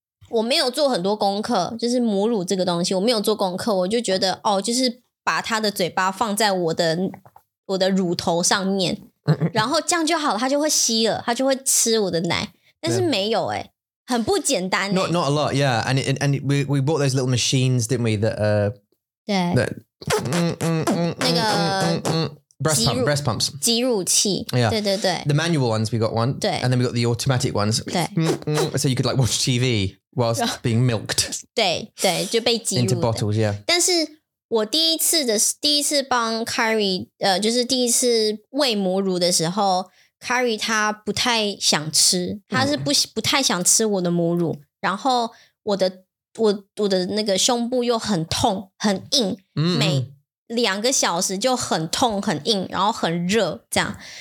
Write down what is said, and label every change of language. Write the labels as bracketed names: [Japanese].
[Chinese] 我没有做很多功课，就是母乳这个东西，我没有做功课，我就觉得哦，就是把他的嘴巴放在我的乳头上面，然后这样就好了，他就会吸了，他就会吃我的奶，但是没有，很不简单。 [English] Not a lot, yeah, and it, and we bought those little machines, didn't we? That [Chinese] 对，那个 [English] breast pumps. [Chinese] 挤乳器. [English] Yeah. [Chinese] 对对对. [English] The manual ones, we got one. [Chinese] 对. [English] And then we got the automatic ones. [Chinese] 对. [English] So you could like watch TV whilst being milked. [Chinese] 对对，就被挤乳的. [English] Into bottles, yeah. [Chinese] 但是我第一次帮 Carrie, 就是第一次喂母乳的时候, Carrie 她不太想吃, 她是不太想吃我的母乳, 然后我的那个胸部又很痛, 很硬, 每两个小时就很痛很硬, 然后很热, 这样,